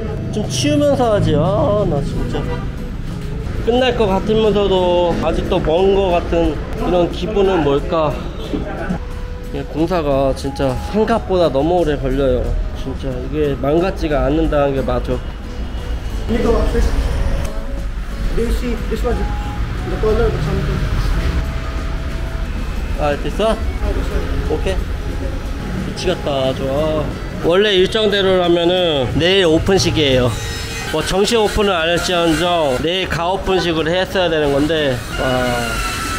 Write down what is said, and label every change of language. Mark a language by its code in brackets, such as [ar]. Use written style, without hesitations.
[ko] 좀 치우면서 하지. 아 나 진짜 끝날 것 같으면서도 아직도 먼 것 같은 이런 기분은 뭘까. 공사가 진짜 생각보다 너무 오래 걸려요. 진짜 이게 망가지가 않는다는 게 맞죠. [en] Can you go up first? Do you see this one? The color or something? [ko] 아, 됐어? 오케이. 미치겠다. 좋아. 원래 일정대로라면은 내일 오픈식이에요. 뭐 정식 오픈은 안 했지만 내일 가오픈식으로 했어야 되는 건데. 와.